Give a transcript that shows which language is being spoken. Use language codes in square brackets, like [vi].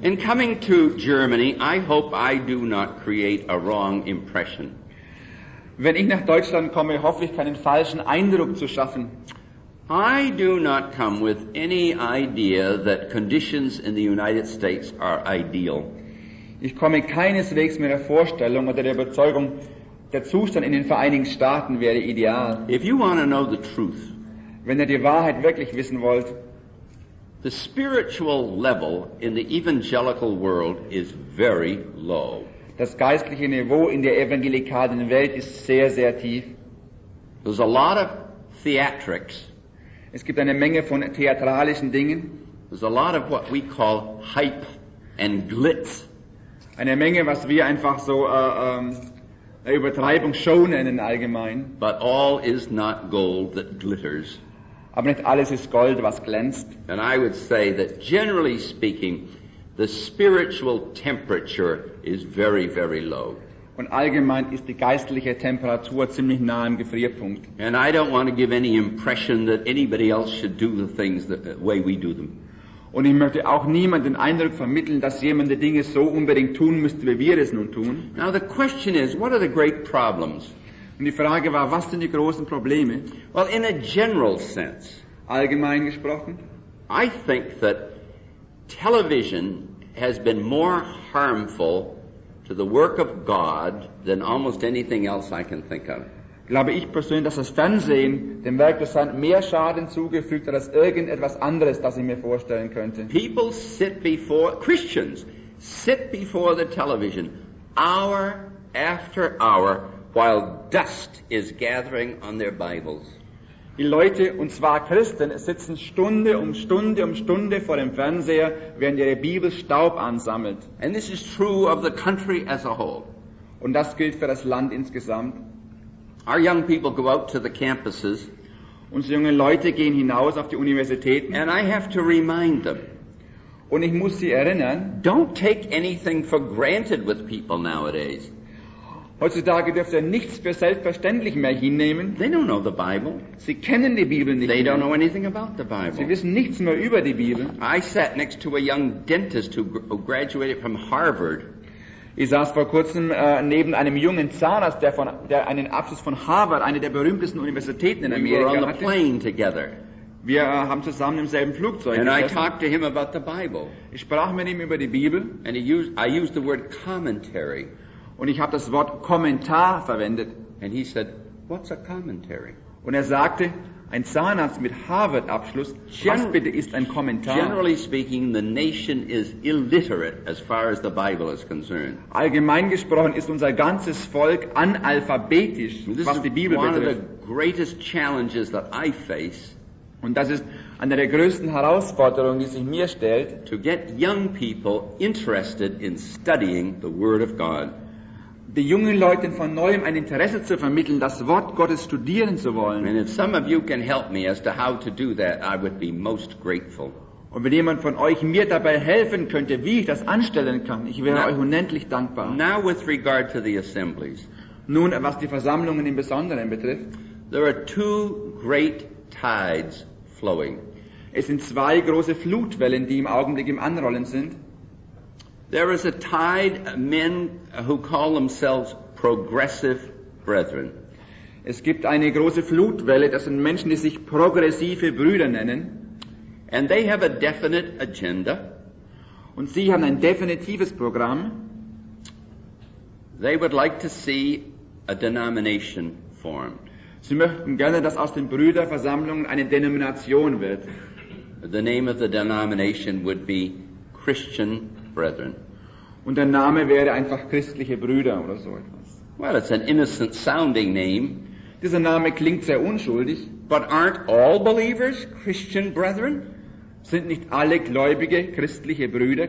[en] In coming to Germany, I hope I do not create a wrong impression. [de] Wenn ich nach Deutschland komme, hoffe ich, keinen falschen Eindruck zu schaffen. [en] I do not come with any idea that conditions in the United States are ideal. [de] Ich komme keineswegs mit der Vorstellung oder der Überzeugung, der Zustand in den Vereinigten Staaten wäre ideal. [en] If you want to know the truth, [de] wenn ihr die Wahrheit wirklich wissen wollt, [en] the spiritual level in the evangelical world is very low. [de] Das geistliche Niveau in der evangelikalen Welt ist sehr, sehr tief. [en] There's a lot of theatrics. [de] Es gibt eine Menge von theatralischen Dingen. [en] There's a lot of what we call hype and glitz. [de] Eine Menge, was wir einfach so Übertreibung Show nennen allgemein. [en] But all is not gold that glitters. [de] Aber nicht alles ist Gold, was glänzt. [en] And I would say that generally speaking, the spiritual temperature is very, very low. [de] Und allgemein ist die geistliche Temperatur ziemlich nah am Gefrierpunkt. [en] And I don't want to give any impression that anybody else should do the things the way we do them. [de] Und ich möchte auch niemandem den Eindruck vermitteln, dass jemand die Dinge so unbedingt tun müsste, wie wir es nun tun. [en] Now the question is, what are the great problems? [de] Und die Frage war, was sind die großen Probleme? [en] Well, in a general sense, [de] allgemein gesprochen, [en] I think that television has been more harmful to the work of God than almost anything else I can think of. [de] Glaube ich persönlich, dass das Fernsehen dem Werk des Herrn mehr Schaden zugefügt hat als irgendetwas anderes, das ich mir vorstellen könnte. [en] People sit before, Christians sit before the television hour after hour while dust is gathering on their Bibles. [de] Die Leute, und zwar Christen, sitzen Stunde um Stunde um Stunde vor dem Fernseher, während ihre Bibel Staub ansammelt. [en] And this is true of the country as a whole. [de] Und das gilt für das Land insgesamt. [en] Our young people go out to the campuses. [de] Unsere jungen Leute gehen hinaus auf die Universitäten. [en] And I have to remind them. [de] Und ich muss sie erinnern. [en] Don't take anything for granted with people nowadays. [de] Heutzutage dürft ihr nichts für selbstverständlich mehr hinnehmen. [en] They don't know the Bible. [de] Sie kennen die Bibel nicht. [en] They don't know anything about the Bible. [de] Sie wissen nichts mehr über die Bibel. [en] I sat next to a young dentist who graduated from Harvard. [de] Ich saß vor kurzem neben einem jungen Zahnarzt, der einen Abschluss von Harvard, eine der berühmtesten Universitäten in Amerika, [en] we were on [de] hatte. [en] The plane together. [de] Wir haben zusammen im selben Flugzeug [en] and [de] gesessen. [en] I talked to him about the Bible. [de] Ich sprach mit ihm über die Bibel. [en] And I used the word commentary. [de] Und ich habe das Wort Kommentar verwendet. [en] And he said, what's a commentary? [de] Und er sagte, ein Zahnarzt mit Harvard-Abschluss, was bitte ist ein Kommentar? [en] Generally speaking, the nation is illiterate as far as the Bible is concerned. [de] Allgemein gesprochen ist unser ganzes Volk analphabetisch, was die Bibel betrifft. [en] One of the greatest challenges that I face. [de] Und das ist eine der größten Herausforderungen, die sich mir stellt, [en] to get young people interested in studying the Word of God. [de] Die jungen Leute von neuem ein Interesse zu vermitteln, das Wort Gottes studieren zu wollen. [en] And if some of you can help me as to how to do that, I would be most grateful. [de] Und wenn jemand von euch mir dabei helfen könnte, wie ich das anstellen kann, ich wäre euch unendlich dankbar. [en] Now with regard to the assemblies. [de] Nun, was die Versammlungen im Besonderen betrifft. [en] There are two great tides flowing. [de] Es sind zwei große Flutwellen, die im Augenblick im Anrollen sind. [en] There is a tide of men who call themselves progressive brethren. [de] Es gibt eine große Flutwelle, das sind Menschen, die sich progressive Brüder nennen. [en] And they have a definite agenda. [de] Und sie haben ein definitives Programm. [en] They would like to see a denomination formed. [de] Sie möchten gerne, dass aus den Brüderversammlungen eine Denomination wird. [en] The name of the denomination would be Christian Brethren. [de] Und der Name wäre einfach christliche Brüder oder so etwas. [en] Well, it's an innocent sounding name. [de] Dieser Name klingt sehr unschuldig. [en] But aren't all believers Christian brethren? [de] Sind nicht alle Gläubige christliche Brüder?